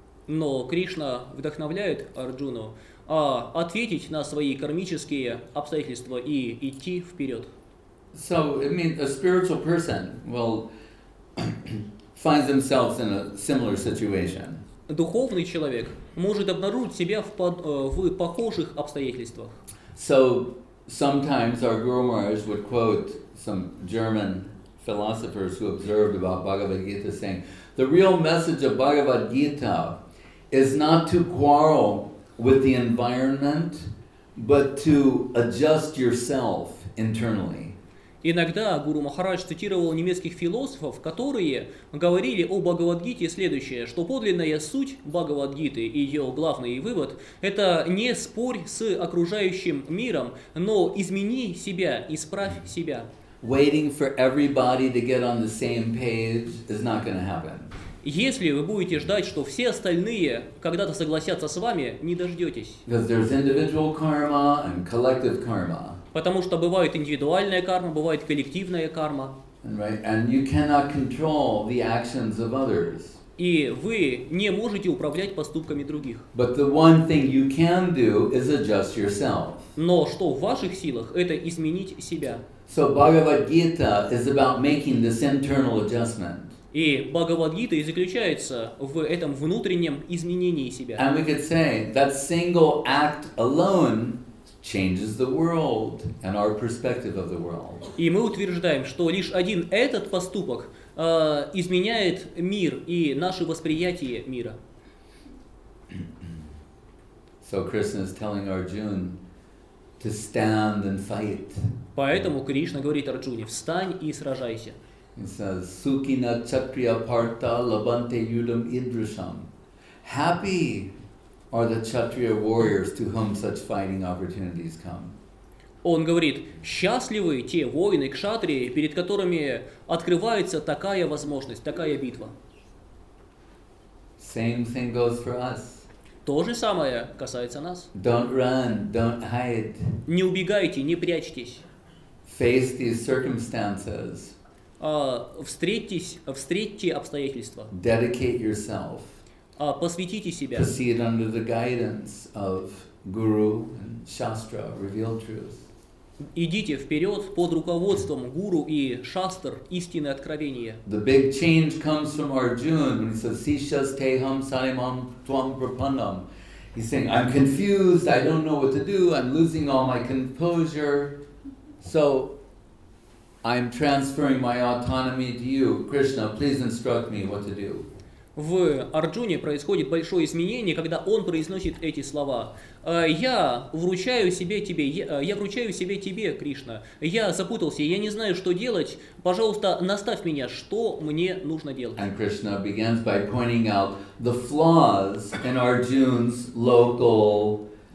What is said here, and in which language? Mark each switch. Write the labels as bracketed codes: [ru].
[ru] Но Кришна вдохновляет Арджуну ответить на свои кармические обстоятельства и идти вперед. [en] So, I mean, a spiritual person will find themselves in a similar situation. [ru] Духовный человек может обнаружить себя в похожих обстоятельствах. [en] So, sometimes our Guru Maharaj would quote some German philosophers who observed about Bhagavad Gita saying, the real message of Bhagavad Gita is not to quarrel with the environment, but to adjust yourself internally. [ru] Иногда Гуру Махарадж цитировал немецких философов, которые говорили о Бхагавадгите следующее, что подлинная суть Бхагавадгиты и ее главный вывод – это не спорь с окружающим миром, но измени себя, исправь себя. [en] Waiting for everybody to get on the same page is not going to happen. [ru] Если вы будете ждать, что все остальные когда-то согласятся с вами, не дождетесь. [en] Because there's individual karma and collective karma. [ru] Потому что бывает индивидуальная карма, бывает коллективная карма. [en] Right. And you cannot control the actions of others. [ru] И вы не можете управлять поступками других. [en] But the one thing you can do is adjust yourself. [ru] Но что в ваших силах, это изменить себя. [en] So Bhagavad Gita is about making this internal adjustment. [ru] И Бхагавад Гита и заключается в этом внутреннем изменении себя. [en] And we could say that single act alone changes the world and our perspective of the world. [ru] И мы утверждаем, что лишь один этот поступок изменяет мир и наше восприятие мира. [en] So Krishna is telling Arjuna to stand and fight. [ru] Поэтому Кришна говорит Арджуне: встань и сражайся. [en] He says, [sa] Sukhina Chakriya Partha Labante Yudham Idrisham. [en] Happy are the Kshatriya warriors to whom such fighting opportunities come. [ru] Он говорит, счастливы те воины, кшатрии, перед которыми открывается такая возможность, такая битва. [en] Same thing goes for us. [ru] То же самое касается нас. [en] Don't run, don't hide. [ru] Не убегайте, не прячьтесь. [en] Face these circumstances. [ru] Встретьте обстоятельства. [en] Dedicate yourself. [ru] Посвятите себя. [en] Proceed under the guidance of Guru and Shastra, revealed truth. [ru] Идите вперед под руководством Гуру и Шастр, истинное откровение. [en] The big change comes from Arjuna when he says, [sa] Sishas teham salimam tvam prapannam. [en] He's saying, I'm confused, I don't know what to do, I'm losing all my composure. So, I'm transferring my autonomy to you. Krishna, please instruct me what to do. [ru] В Арджуне происходит большое изменение, когда он произносит эти слова. Я вручаю себе тебе, Кришна. Я запутался, я не знаю, что делать. Пожалуйста, наставь меня, что мне нужно делать. [en] And Krishna begins by pointing out the flaws in Arjuna's local